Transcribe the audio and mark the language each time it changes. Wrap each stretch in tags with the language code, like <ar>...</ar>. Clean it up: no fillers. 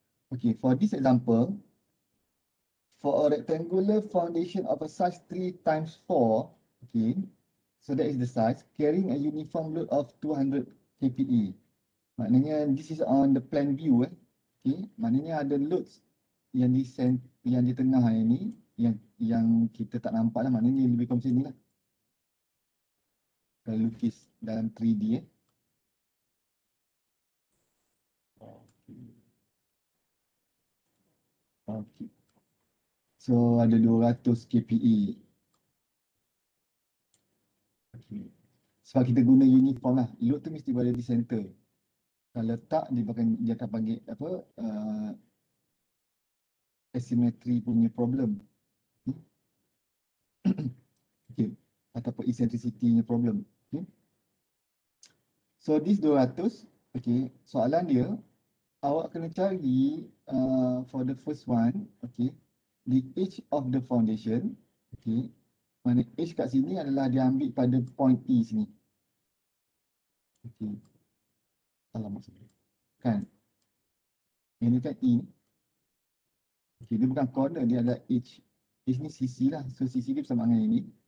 <en>Okey, for this example, for a rectangular foundation of a size 3 times 4, okay, so that is the size, carrying a uniform load of 200 kPa.</en> <ms>Maknanya,</ms> <en>this is on the plan view, eh.</en> <ms>Okay, maknanya ada loads yang di yang di tengah ini, yang kita tak nampak lah, maknanya lebih kurang macam ni lah. Kalau lukis dalam 3D, eh. Okay. So ada 200 kPa. Okay. Sebab kita guna uniform lah. Load tu mesti berada di center. Kalau tak, dia akan panggil apa? Asymmetry punya problem. Okay. Ataupun eccentricity punya problem. Okay.</ms> <en>So this 200, okay.</en> <ms>Soalan dia, awak kena cari</ms> <en>for the first one, okay. The edge of the foundation, okay.</en> <ms>Mana edge kat sini adalah diambil pada point E sini. Okay. Alamak sini. Kan? Ini kan E. Okay, dia bukan corner, dia adalah edge. Edge ni sisi lah. So, sisi dia bersama dengan ini.</ms>